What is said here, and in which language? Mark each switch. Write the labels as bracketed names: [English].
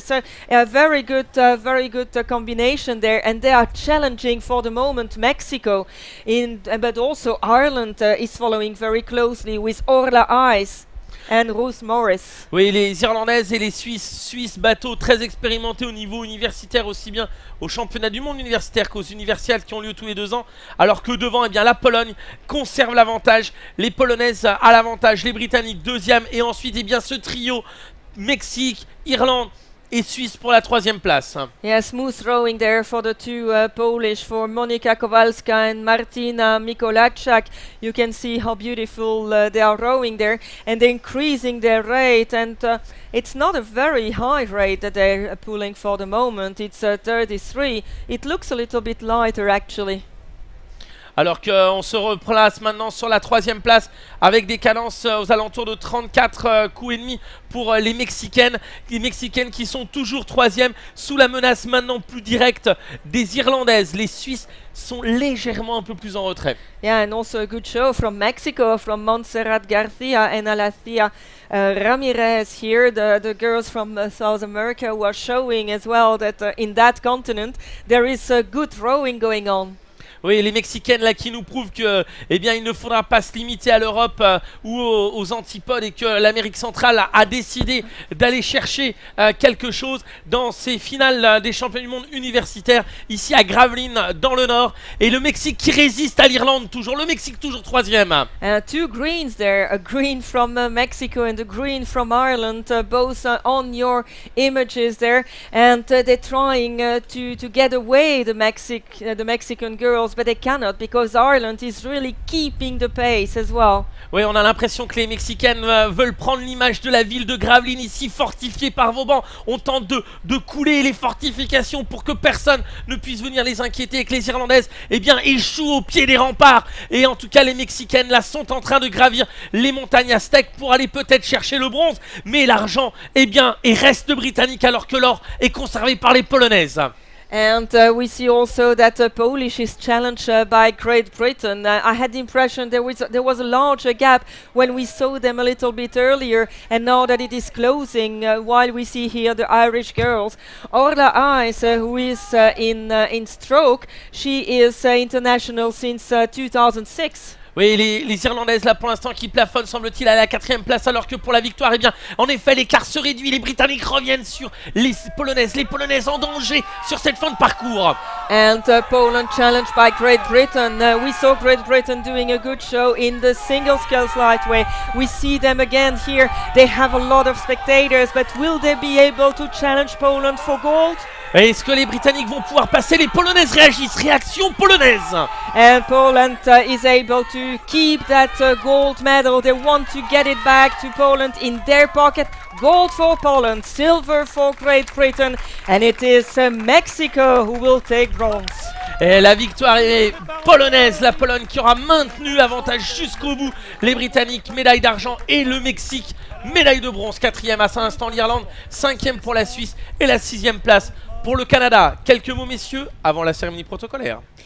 [English] So a very good combination there. And they are challenging for the moment Mexico, but also Ireland is following very closely with Orla Ice and Ruth Morris. [French] Oui, les Irlandaises et les Suisses bateaux très expérimentés au niveau universitaire, aussi bien aux championnats du monde universitaire qu'aux universiades qui ont lieu tous les deux ans. Alors que devant, eh bien, la Pologne conserve l'avantage, les Polonaises à l'avantage, les Britanniques deuxième, et ensuite, eh bien, ce trio Mexique, Irlande et Suisse pour la troisième place. [English] Yes, smooth rowing there for the two Polish, for Monika Kowalska and Martina Mikolajczak. You can see how beautiful they are rowing there, and they're increasing their rate, and it's not a very high rate that they're pulling for the moment. It's 33. It looks a little bit lighter actually. [French] Alors qu'on se replace maintenant sur la troisième place avec des cadences aux alentours de 34 coups et demi pour les Mexicaines. Les Mexicaines qui sont toujours troisième sous la menace maintenant plus directe des Irlandaises. Les Suisses sont légèrement un peu plus en retrait. [English] Yeah, and also a good show from Mexico, from Montserrat Garcia and Alathia Ramirez here. The girls from South America were showing as well that in that continent there is a good rowing going on. [French] Oui, les Mexicaines là qui nous prouvent que, eh bien, il ne faudra pas se limiter à l'Europe ou aux antipodes et que l'Amérique centrale a décidé d'aller chercher quelque chose dans ces finales des championnats du monde universitaires ici à Gravelines dans le Nord. Et le Mexique qui résiste à l'Irlande toujours, le Mexique toujours troisième. [English] Two greens there, a green from Mexico and a green from Ireland, both on your images there, and they're trying to get away the Mexican girl. But they cannot because Ireland is really keeping the pace as well. [French] Oui, on a l'impression que les Mexicaines veulent prendre l'image de la ville de Gravelines ici fortifiée par Vauban. On tente de couler les fortifications pour que personne ne puisse venir les inquiéter et que les Irlandaises, eh bien, échouent au pied des remparts. Et en tout cas, les Mexicaines là sont en train de gravir les montagnes aztèques pour aller peut-être chercher le bronze. Mais l'argent, eh bien, et reste britannique alors que l'or est conservé par les Polonaises. [English] And we see also that Polish is challenged by Great Britain. I had the impression there was a larger gap when we saw them a little bit earlier, and now that it is closing, while we see here the Irish girls, Orla Eyes, who is in stroke, she is international since 2006. [French] Oui, les Irlandaises, là, pour l'instant, qui plafonnent, semble-t-il, à la quatrième place, alors que pour la victoire, eh bien, en effet, l'écart se réduit. Les Britanniques reviennent sur les Polonaises. Les Polonaises en danger sur cette fin de parcours. [English] And Poland challenged by Great Britain. We saw Great Britain doing a good show in the single scales lightweight. We see them again here. They have a lot of spectators, but will they be able to challenge Poland for gold? [French] Est-ce que les Britanniques vont pouvoir passer? Les Polonaises réagissent. Réaction polonaise. [English] And Poland is able to keep that gold medal. They want to get it back to Poland in their pocket. Gold for Poland, silver for Great Britain, and it is Mexico who will take bronze. [French] Et la victoire est polonaise, la Pologne qui aura maintenu l'avantage jusqu'au bout. Les Britanniques, médaille d'argent, et le Mexique, médaille de bronze. Quatrième à cet instant l'Irlande, cinquième pour la Suisse, et la sixième place pour le Canada. Quelques mots, messieurs, avant la cérémonie protocolaire.